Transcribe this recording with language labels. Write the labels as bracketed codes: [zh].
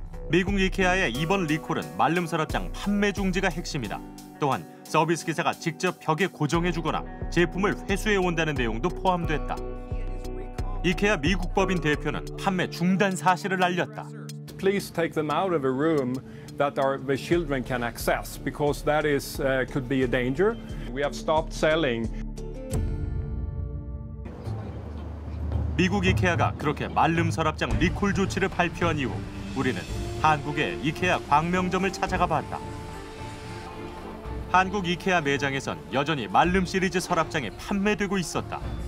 [ko] 미국 이케아의 이번 리콜은 말름 서랍장 판매 중지가 핵심이다. 또한 서비스 기사가 직접 벽에 고정해 주거나 제품을 회수해 온다는 내용도 포함됐다. 이케아 미국 법인 대표는 판매 중단 사실을 알렸다. [en] Please take them out of a room that the children can access because that is could be a danger. We have stopped selling. [ko] 미국 이케아가 그렇게 말름 서랍장 리콜 조치를 발표한 이후 우리는 한국의 이케아 광명점을 찾아가 봤다. 한국 이케아 매장에선 여전히 말름 시리즈 서랍장이 판매되고 있었다.